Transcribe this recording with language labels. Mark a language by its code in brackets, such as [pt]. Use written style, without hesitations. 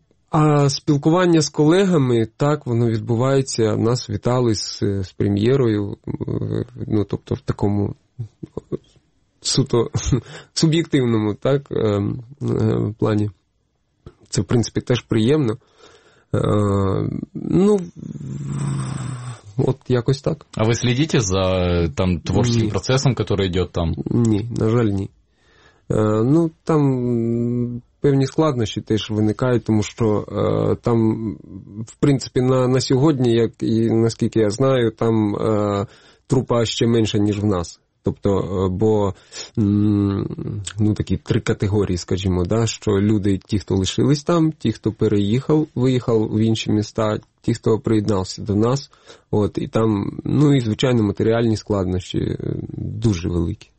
[uk] А спілкування з колегами, так, воно відбувається. Нас вітали з прем'єрою, ну, тобто, в такому суто суб'єктивному, так, плані. Це, в принципі, теж приємно. Ну, вот якось так. [ru] А вы следите за там творческим процессом, который идет там? [uk] Ні, на жаль, ні. Ну, там певні складнощі теж виникають, тому що там, в принципі, на сьогодні, як і наскільки я знаю, там трупа ще менша, ніж в нас. Тобто, бо, ну, такі три категорії, скажімо, да, що люди, ті, хто лишились там, ті, хто переїхав, виїхав в інші міста, ті, хто приєднався до нас, от, і там, ну, і, звичайно, матеріальні складнощі дуже великі.